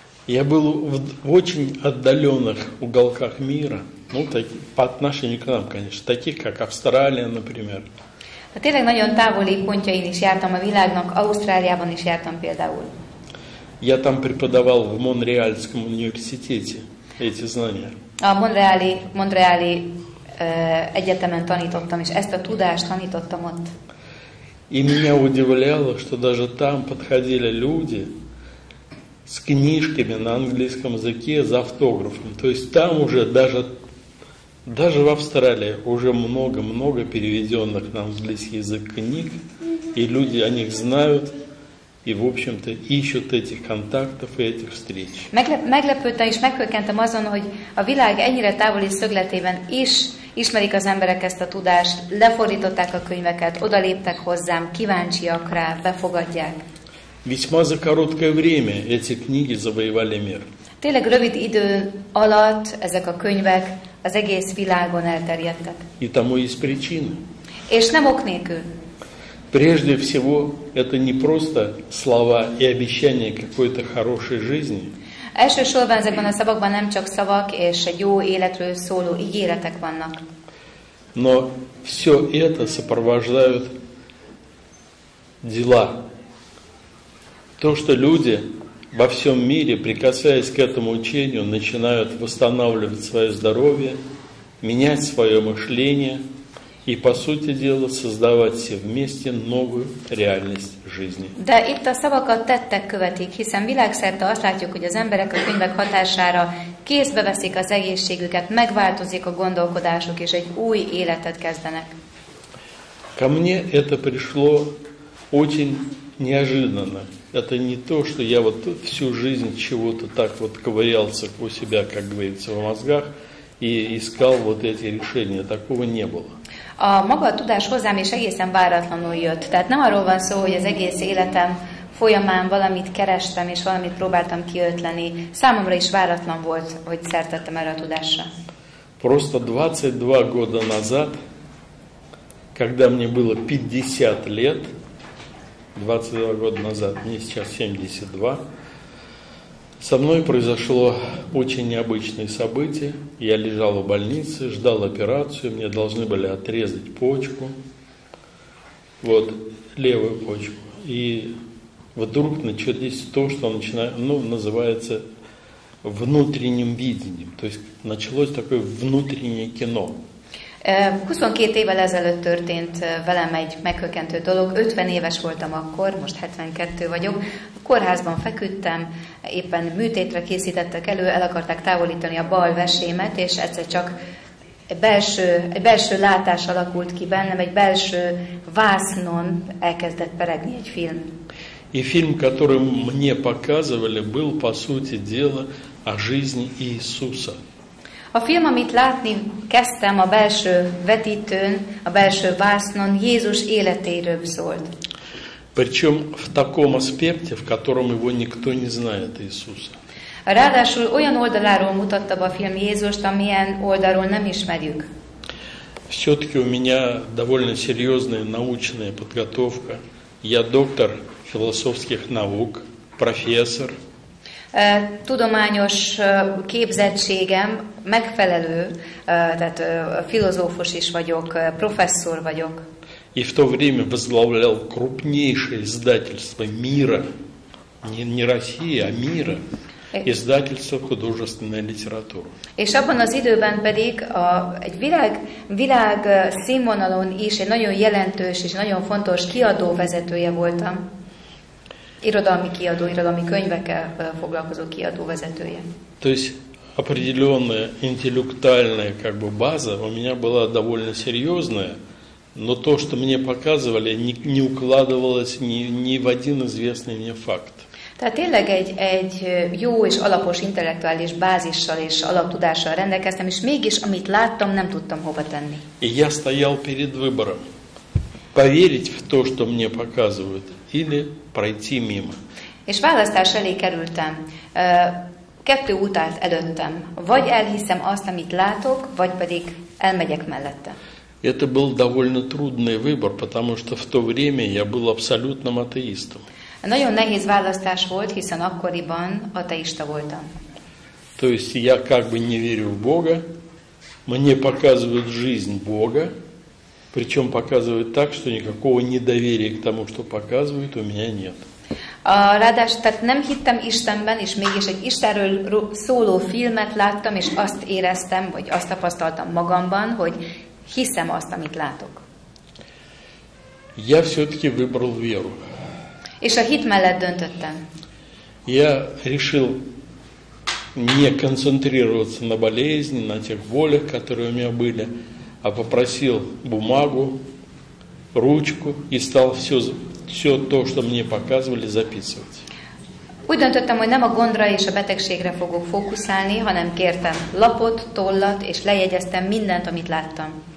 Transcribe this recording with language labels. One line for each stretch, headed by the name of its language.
Russian: Я был в очень отдаленных уголках мира, ну, так, по отношению к нам, конечно, таких, как Австралия, например.
Hungarian: A tényleg nagyon távoli pontjain is jártam a világnak, Ausztráliában is jártam például.
Russian: Я там преподавал в Монреальском университете эти знания.
Hungarian: A Монреали egyetemen tanítottam, és ezt a tudást tanítottam ott.
Russian: И меня удивляло, что даже там подходили люди с книжками на английском языке за автографом. То есть там уже даже в Австралии уже много-много переведенных на английский язык книг, и люди о них знают. И, в общем-то, ищут этих контактов и этих встреч.
Hungarian: Meglepődtem és meghökkentem azon, hogy a világ ennyire távoli szögletében is ismerik az emberek ezt a tudást, lefordították a könyveket, odaléptek hozzám, kíváncsiak rá, befogadják.
Russian: Весьма за короткое время эти книги завоевали мир.
Hungarian: Tényleg rövid idő alatt ezek a könyvek az egész világon elterjedtek.
Russian: И тому есть причина.
Hungarian: És nem ok nélkül.
Russian: Прежде всего, это не просто слова и обещания какой-то хорошей жизни.
Hungarian: Elsősorban ezekben a szavakban nem csak szavak és egy jó életről szóló ígéretek vannak.
Russian: Но все это сопровождают дела. То, что люди во всем мире, прикасаясь к этому учению, начинают восстанавливать свое здоровье, менять свое мышление и, по сути дела, создавать все вместе новую реальность жизни.
Hungarian: De itt a szavakat tettek követik, hiszen világszerte azt látjuk, hogy az emberek a könyvek hatására kézbe veszik az egészségüket, megváltozik a gondolkodásuk, és egy új életet kezdenek.
Russian: Ко мне это пришло очень неожиданно. Это не то, что я вот всю жизнь чего-то так вот ковырялся у себя, как говорится, в мозгах, и искал вот эти решения. Такого не было.
Hungarian: A maga a tudás hozzám is egészen váratlanul jött. Tehát nem arról van szó, hogy az egész életem folyamán valamit kerestem, és valamit próbáltam kiötleni. Számomra is váratlan volt, hogy szert tettem erre a tudásra.
Russian: Просто 22 года назад, когда мне было 50 лет, 22 года назад, мне сейчас 72, со мной произошло очень необычное событие. Я лежал в больнице, ждал операцию, мне должны были отрезать почку, вот, левую почку. И вдруг началось то, что называется внутренним видением, то есть началось такое внутреннее кино.
Hungarian: 22 évvel ezelőtt történt velem egy meghökkentő dolog. 50 éves voltam akkor, most 72 vagyok. A kórházban feküdtem, éppen műtétre készítettek elő, el akarták távolítani a bal vesémet, és egyszer csak egy belső látás alakult ki bennem, egy belső vásznon elkezdett peregni egy film.
Russian: И фильм, который мне показывали, был, по сути дела, о жизни Иисуса.
Hungarian: A film, amit látni kezdtem a belső vetítőn, a belső vásznon, Jézus életéről szólt.
Russian: Причем в таком аспекте, в котором его никто не знает, Иисуса.
Hungarian: Ráadásul olyan oldaláról mutatta be a film Jézust, amilyen oldalról nem ismerjük.
Russian: Все-таки у меня довольно серьезная научная подготовка. Я доктор философских наук, профессор.
Hungarian: Tudományos képzettségem megfelelő, tehát filozófus is vagyok, professzor vagyok.
Russian: И в то время возглавлял крупнейшее издательство мира, не России, а мира, издательство художественной литературы.
Hungarian: És abban az időben pedig egy világ színvonalon is egy nagyon jelentős és nagyon fontos kiadó vezetője voltam. Irodalmi kiadó, irodalmi könyvekkel foglalkozó kiadó vezetője.
Russian: То есть определенная интеллектуальная как бы база у меня была довольно серьезная, но то, что мне показывали, не укладывалось ни в один известный мне факт.
Hungarian: Tehát tényleg egy jó és alapos intellektuális bázissal és alaptudással rendelkeztem, és mégis amit láttam, nem tudtam hova tenni.
Russian: И я стоял перед выбором: поверить в то, что мне показывают, или пройти мимо.
Hungarian: És választás elé kerültem. Kettő út állt előttem. Vagy elhiszem azt, amit látok, vagy pedig elmegyek mellette.
Russian: Это был довольно трудный выбор, потому что в то время я был абсолютным атеистом.
Hungarian: Nagyon nehéz választás volt, hiszen akkoriban ateista voltam.
Russian: То есть я как бы не верю в Бога, мне показывают жизнь Бога, причем показывают так, что никакого недоверия к тому, что показывают, у меня нет.
Hungarian: Ráadásul, tehát nem hittem Istenben, és mégis egy Istenről szóló filmet láttam, és azt éreztem, vagy azt tapasztaltam magamban, hogy hiszem azt, amit látok.
Russian: Я все-таки выбрал веру.
Hungarian: És a hit mellett döntöttem.
Russian: Я решил не концентрироваться на болезни, на тех болях, которые у меня были, а попросил бумагу, ручку и стал все то, что мне показывали, записывать.
Hungarian: Úgy döntöttem, hogy nem a gondra és a betegségre fogok fókuszálni, hanem kértem lapot, tollat és lejegyeztem mindent, amit láttam.